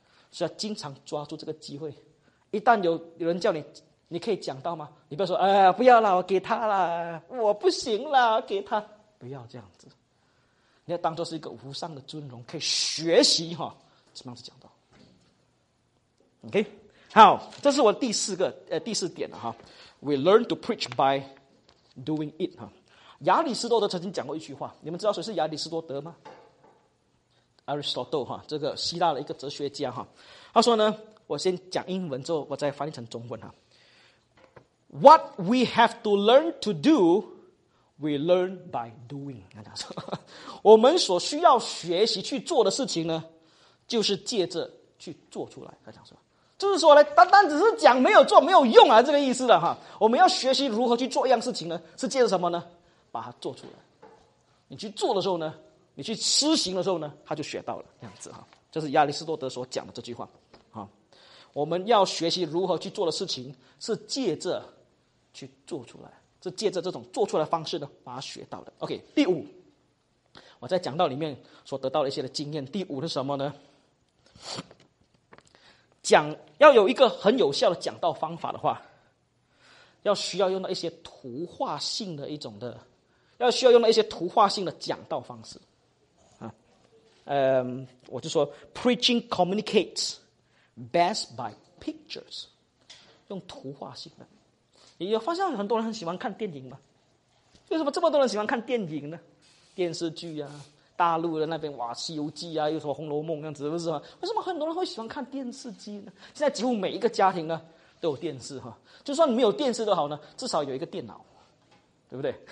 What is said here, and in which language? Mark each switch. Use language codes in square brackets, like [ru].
[zh] 是要经常抓住这个机会，一旦有人叫你，你可以讲到吗？你不要说哎，不要啦，我给他啦，我不行啦，给他，不要这样子，你要当作是一个无上的尊荣，可以学习怎么样子讲到。 OK， 好，这是我第四个第四点了哈。 [en] We learn to preach by doing it 哈。 [zh] 亚里士多德曾经讲过一句话，你们知道谁是亚里士多德吗 ？Aristotle 哈，这个希腊的一个哲学家哈。他说呢，我先讲英文，之后我再翻译成中文哈。 [en] What we have to learn to do, we learn by doing。 [zh] 他说，我们所需要学习去做的事情呢，就是借着去做出来。他讲说。就是说呢，单单只是讲没有做没有用啊，这个意思的哈。我们要学习如何去做一样事情呢，是借着什么呢？把它做出来。你去做的时候呢，你去施行的时候呢，他就学到了这样子哈。这是亚里士多德所讲的这句话哈。我们要学习如何去做的事情，是借着去做出来，是借着这种做错的方式呢把它学到的。OK， 第五，我在讲道里面所得到的一些的经验，第五是什么呢？讲要有一个很有效的讲道方法的话，要需要用到一些图画性的一种的，要需要用到一些图画性的讲道方式。我就说 [en] preaching communicates best by pictures， [zh] 用图画性的。你有发现很多人很喜欢看电影吗？为什么这么多人喜欢看电影呢？电视剧啊，大陆的那边哇，西游记啊，又什么红楼梦这样子，不是吗？为什么很多人会喜欢看电视机呢？现在几乎每一个家庭呢都有电视哈，就算你没有电视都好呢，至少有一个电脑，对不对？